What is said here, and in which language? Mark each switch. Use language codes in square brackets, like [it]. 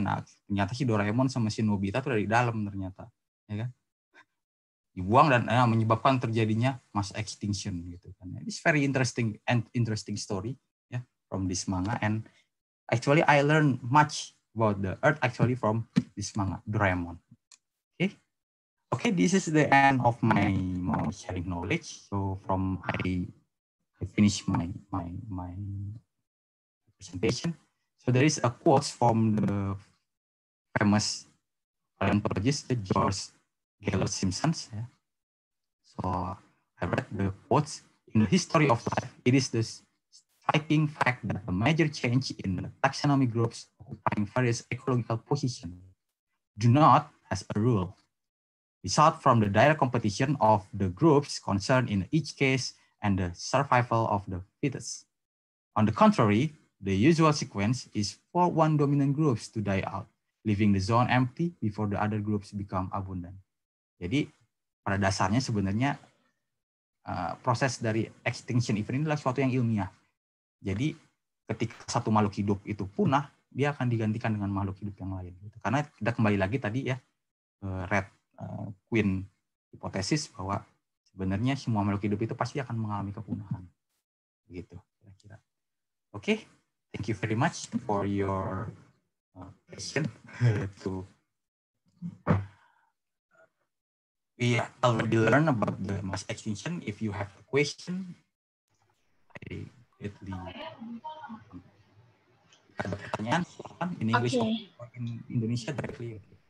[id] Nah, ternyata si Doraemon sama si Nobita tuh dari dalam ternyata, ya kan? Dibuang dan menyebabkan terjadinya mass extinction gitu kan. [en] It's very interesting and interesting story ya, yeah, from this manga. And actually I learn much about the earth actually from this manga Doraemon. Okay, this is the end of my sharing knowledge. So from I finish my presentation. So there is a quote from the famous paleontologist George Gaylord Simpson. Yeah. So I read the quotes in the history of life. It is the striking fact that a major change in the taxonomic groups occupying various ecological positions do not, as a rule, result from the direct competition of the groups concerned in each case and the survival of the fittest. On the contrary, the usual sequence is for one dominant group to die out, leaving the zone empty before the other groups become abundant. [id] Jadi pada dasarnya sebenarnya proses dari extinction event ini adalah suatu yang ilmiah. Jadi ketika satu makhluk hidup itu punah, dia akan digantikan dengan makhluk hidup yang lain. Karena kita kembali lagi tadi ya, Red Queen hipotesis bahwa sebenarnya semua makhluk hidup itu pasti akan mengalami kepunahan. Begitu kira-kira. [en] Okay, thank you very much for your question. To we already learn about the mass extinction. If you have a question, I greatly [id] ada pertanyaan silakan [en] in English or in Indonesia directly.